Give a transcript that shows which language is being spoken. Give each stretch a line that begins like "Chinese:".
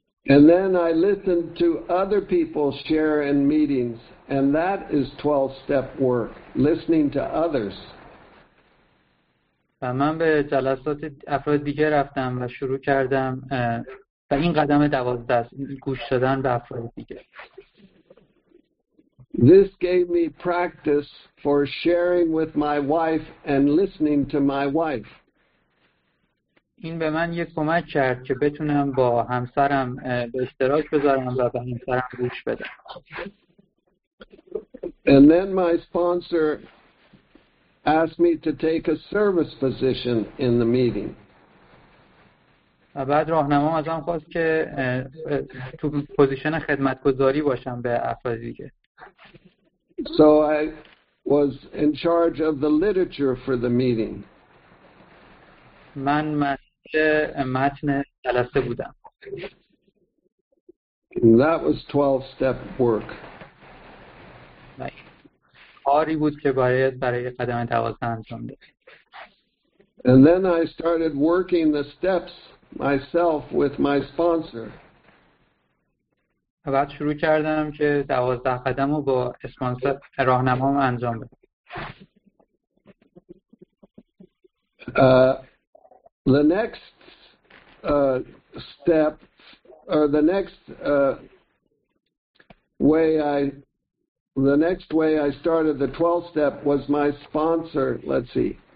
English: And then I listened to other people share in meetings, and that is 12-step work, listening to others.
Persian: و من به جلسات افراد دیگه رفتم و شروع کردم و این قدم 12 است، گوش دادن به افراد دیگه.
English: This gave me practice for sharing with my wife and listening to my wife.
Persian: این به من یک کمک کرد که بتونم با همسرم به اشتراک بذارم و به همسرم گوش بدم.
English: And then my sponsor asked me to take a service position in the meeting.
Persian: و بعد راهنمام ازم خواست که تو پوزیشن خدمتگذاری باشم به افراد دیگه.
English: So I was in charge of the literature for the meeting.
Persian: من متن جلسه بودم.
English: That was 12 step work.
Persian: کاری بود که باید برای قدم 12 انجام داد.
English: And then I started working the steps myself with my sponsor.
Persian: بعد شروع کردم که 12 قدم رو با اسپانسر راهنمام انجام بدم.
English: The next step, or the next way I started the 12th step was my sponsor. Let's see.